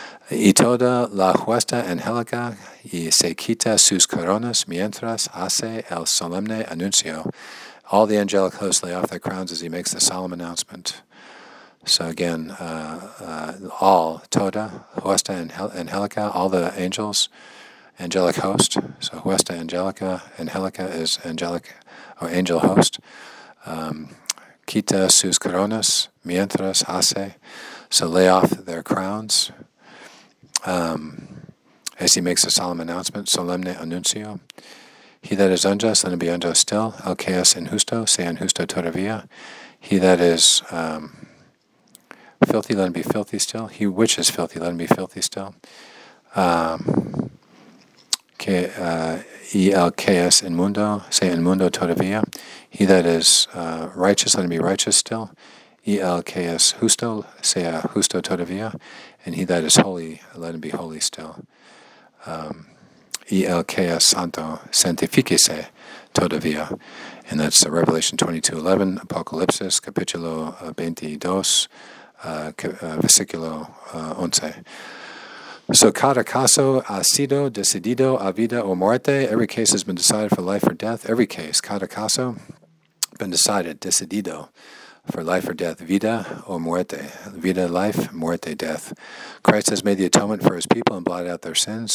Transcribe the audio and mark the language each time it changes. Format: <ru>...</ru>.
<es>Y toda la huesta angélica y se quita sus coronas mientras hace el solemne anuncio.</es> <en>All the angelic hosts lay off their crowns as he makes the solemn announcement. So again, all, toda,</en> <es>huesta angélica,</es> <en>all the angels, angelic host. So</en> <es>huesta angélica,</es> <en>angélica is angelic or angel host.</en> <es>Quita sus coronas mientras hace.</es> <en>So lay off their crowns. As he makes a solemn announcement,</en> <es>solemne anuncio.</es> <en>He that is unjust, let him be unjust still.</en> <es>El que es injusto, sea injusto todavía.</es> <en>He that is filthy, let him be filthy still. He which is filthy, let him be filthy still.</en> <es>Y el que es inmundo, sea inmundo todavía.</es> <en>He that is righteous, let him be righteous still.</en> <es>Y el que es justo, sea justo todavía.</es> <en>And he that is holy, let him be holy still.</en> <es>Y el que es santo, santifíquese todavía.</es> <en>And that's the Revelation 22:11, Apocalypse,</en> <es>capítulo 22, versículo 11. So cada caso ha sido decidido a vida o muerte.</es> <en>Every case has been decided for life or death. Every case,</en> <es>cada caso,</es> <en>been decided, decidido. For life or death,</en> <es>vida o muerte.</es> <en>Vida, life, muerte, death. Christ has made the atonement for his people and blotted out their sins.</en>